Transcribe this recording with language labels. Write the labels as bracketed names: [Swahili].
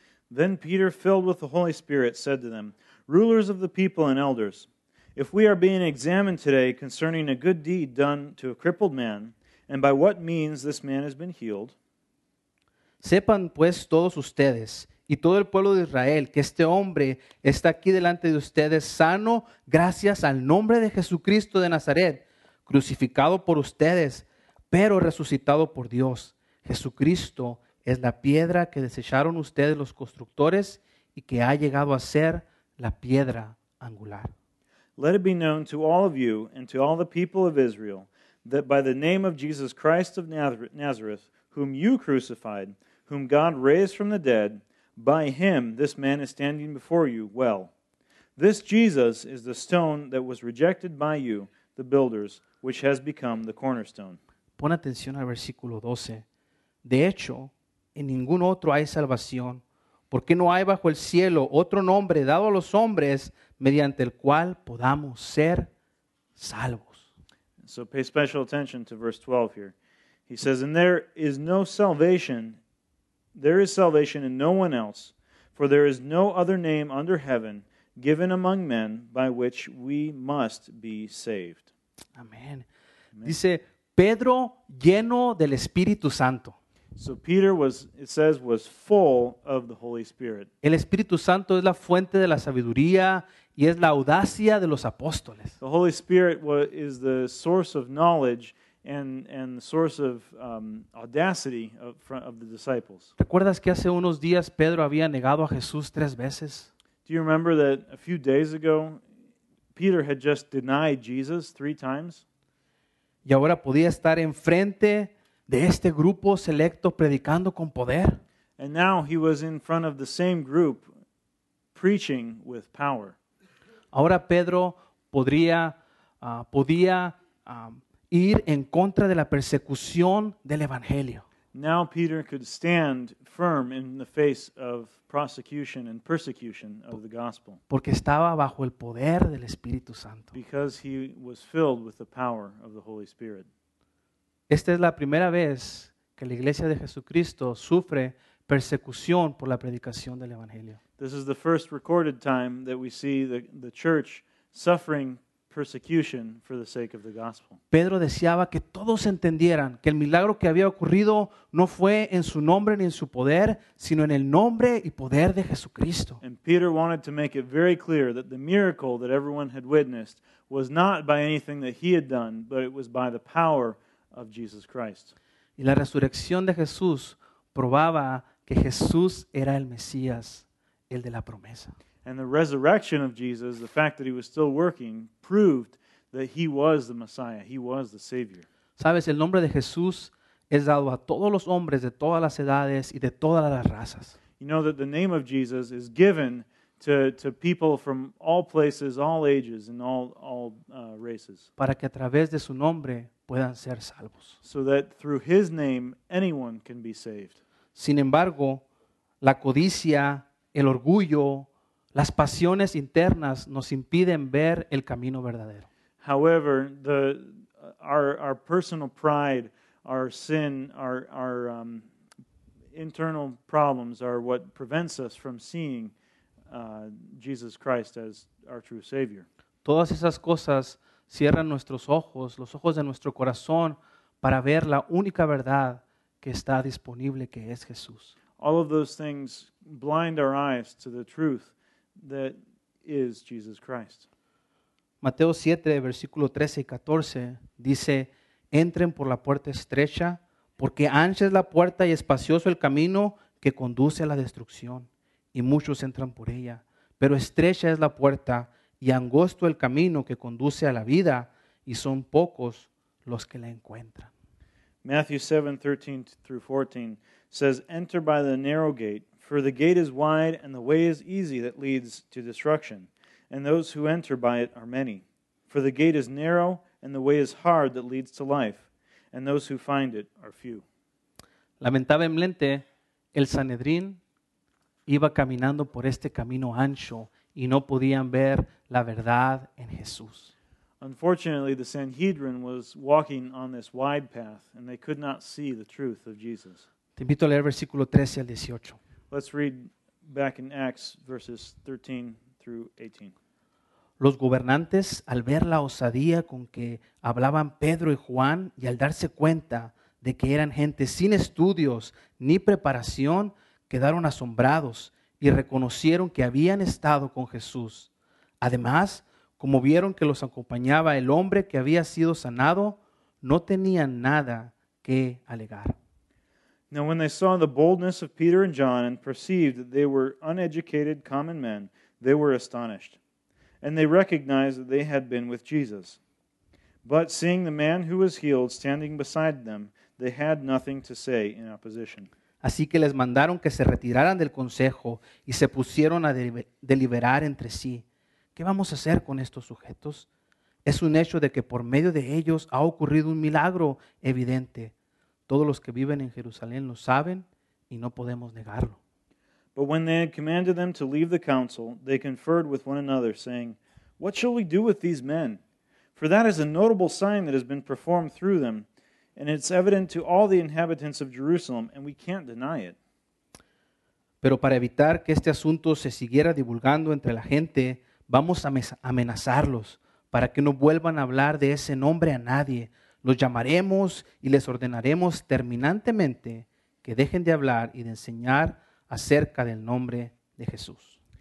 [English] Then Peter, filled with the Holy Spirit, said to them, rulers of the people and elders, if we are being examined today concerning a good deed done to a crippled man, and by what means this man has been healed, [Spanish] sepan pues todos ustedes y todo el pueblo de Israel que este hombre está aquí delante de ustedes sano gracias al nombre de Jesucristo de Nazaret, crucificado por ustedes, pero resucitado por Dios. Jesucristo es la piedra que desecharon ustedes los constructores y que ha llegado a ser la piedra angular. [English] Let it be known to all of you and to all the people of Israel that by the name of Jesus Christ of Nazareth, whom you crucified, whom God raised from the dead, by him this man is standing before you well. This Jesus is the stone that was rejected by you, the builders, which has become the cornerstone. [Spanish] Pon atención al versículo 12. De hecho, en ningún otro hay salvación, porque no hay bajo el cielo otro nombre dado a los hombres mediante el cual podamos ser salvos. [English] So pay special attention to verse 12 here. He says, and there is no salvation, there is salvation in no one else, for there is no other name under heaven given among men by which we must be saved. [Spanish] Amen. Amen. Dice, Pedro lleno del Espíritu Santo. [English] So Peter was, it says, was full of the Holy Spirit. [Spanish] El Espíritu Santo es la fuente de la sabiduría y es la audacia de los apóstoles. [English] The Holy Spirit is the source of knowledge and the source of audacity of the disciples. [Spanish] ¿Recuerdas que hace unos días Pedro había negado a Jesús tres veces? [English] Do you remember that a few days ago Peter had just denied Jesus three times? [Spanish] Y ahora podía estar enfrente de este grupo selecto predicando con poder. [English] And now he was in front of the same group preaching with power. [Spanish] Ahora Pedro podía ir en contra de la persecución del evangelio. [English] Now Peter could stand firm in the face of prosecution and persecution of the gospel. [Spanish] Porque estaba bajo el poder del Espíritu Santo. [English] Because he was filled with the power of the Holy Spirit. [Spanish] Esta es la primera vez que la iglesia de Jesucristo sufre persecución por la predicación del evangelio. [English] This is the first recorded time that we see the church suffering persecution for the sake of the gospel. [Spanish] Pedro deseaba que todos entendieran que el milagro que había ocurrido no fue en su nombre ni en su poder, sino en el nombre y poder de Jesucristo. [English] And Peter wanted to make it very clear that the miracle that everyone had witnessed was not by anything that he had done, but it was by the power of Jesus Christ. [Spanish] Y la resurrección de Jesús probaba que Jesús era el Mesías, el de la promesa. [English] And the resurrection of Jesus, the fact that he was still working, proved that he was the Messiah, he was the Savior. [Spanish] Sabes, el nombre de Jesús es dado a todos los hombres de todas las edades y de todas las razas. [English] You know that the name of Jesus is given to people from all places, all ages, and all races. [Spanish] Para que a través de su nombre puedan ser salvos. [English] So that through his name, anyone can be saved. [Spanish] Sin embargo, la codicia, el orgullo, las pasiones internas nos impiden ver el camino verdadero. [English] However, our personal pride, our sin, our internal problems are what prevents us from seeing Jesus Christ as our true Savior. [Spanish] Todas esas cosas cierran nuestros ojos, los ojos de nuestro corazón, para ver la única verdad que está disponible, que es Jesús. [English] All of those things blind our eyes to the truth that is Jesus Christ. [Spanish] Mateo 7, versículo 13 y 14, dice, entren por la puerta estrecha, porque ancha es la puerta y espacioso el camino que conduce a la destrucción, y muchos entran por ella. Pero estrecha es la puerta y angosto el camino que conduce a la vida, y son pocos los que la encuentran. [English] Matthew 7, 13 through 14 says, enter by the narrow gate, for the gate is wide and the way is easy that leads to destruction, and those who enter by it are many. For the gate is narrow and the way is hard that leads to life, and those who find it are few. [Spanish] Lamentablemente, el Sanedrín iba caminando por este camino ancho y no podían ver la verdad en Jesús. [English] Unfortunately, the Sanhedrin was walking on this wide path and they could not see the truth of Jesus. [Spanish] Te invito a leer versículo 13 al 18. [English] Let's read back in Acts verses 13 through 18. [Spanish] Los gobernantes, al ver la osadía con que hablaban Pedro y Juan, y al darse cuenta de que eran gente sin estudios ni preparación, quedaron asombrados y reconocieron que habían estado con Jesús. Además, como vieron que los acompañaba el hombre que había sido sanado, no tenían nada que alegar. [English] Now when they saw the boldness of Peter and John and perceived that they were uneducated common men, they were astonished, and they recognized that they had been with Jesus. But seeing the man who was healed standing beside them, they had nothing to say in opposition. [Spanish] Así que les mandaron que se retiraran del consejo y se pusieron a deliberar entre sí. ¿qué vamos a hacer con estos sujetos? Es un hecho de que por medio de ellos ha ocurrido un milagro evidente. Todos los que viven en Jerusalén lo saben y no podemos negarlo. [English] But when they had commanded them to leave the council, they conferred with one another, saying, "What shall we do with these men? For that is a notable sign that has been performed through them, and it's evident to all the inhabitants of Jerusalem, and we can't deny it." [Spanish] Pero para evitar que este asunto se siguiera divulgando entre la gente, vamos a amenazarlos para que no vuelvan a hablar de ese nombre a nadie. Los llamaremos y les ordenaremos terminantemente que dejen de hablar y de enseñar acerca del nombre de Jesús.